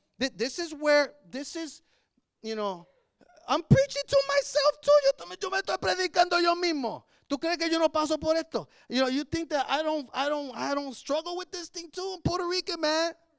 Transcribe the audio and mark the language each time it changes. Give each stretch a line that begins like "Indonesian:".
English: This is, you know, I'm preaching to myself too.
Spanish: Yo me estoy predicando yo mismo. ¿Tú crees que yo no paso por esto?
English: You know, you think that I don't struggle with this thing too? I'm Puerto Rican, man.